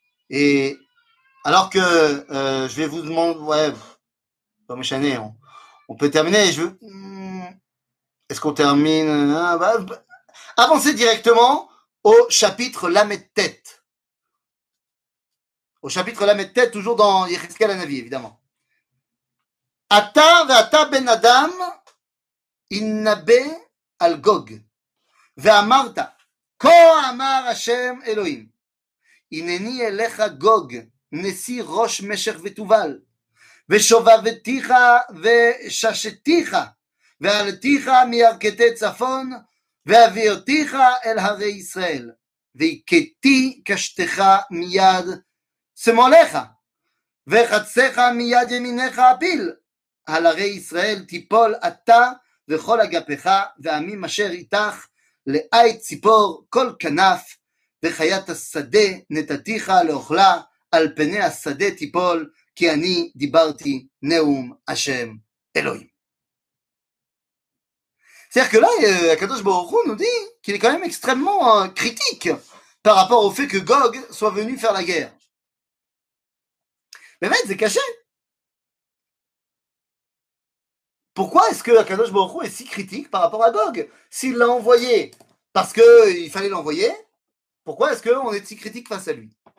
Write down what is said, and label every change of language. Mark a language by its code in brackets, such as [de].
[fr] Et alors que je vais vous demander, on peut terminer, est-ce qu'on termine? Avancez directement au chapitre Lamed Tet. Au chapitre Lamed Tet, toujours dans Yechezkel Hanavi, évidemment. [he] Ata ve ata ben Adam innabe al Gog ve amarta ko amar Hashem Elohim ineni elecha Gog nesi rosh meshech vetuval ve shovavetiha ve shashetiha ve aletiha miyarkete tzafon והביאותיך אל הרי ישראל, והיכיתי קשתך מיד שמאלך, וחציך מיד ימינך אפיל, על הרי ישראל תיפול אתה וכל אגפיך, ועמים אשר איתך, לאי ציפור כל כנף, וחיית השדה נתתיך לאוכלה, על פני השדה תיפול, כי אני דיברתי נאום השם אלוהים. [fr] C'est-à-dire que là, Akadosh Baruch Hu nous dit qu'il est quand même extrêmement critique par rapport au fait que Gog soit venu faire la guerre. Mais c'est caché. Pourquoi est-ce que Akadosh Baruch Hu est si critique par rapport à Gog? S'il l'a envoyé parce qu'il fallait l'envoyer, pourquoi est-ce qu'on est si critique face à lui?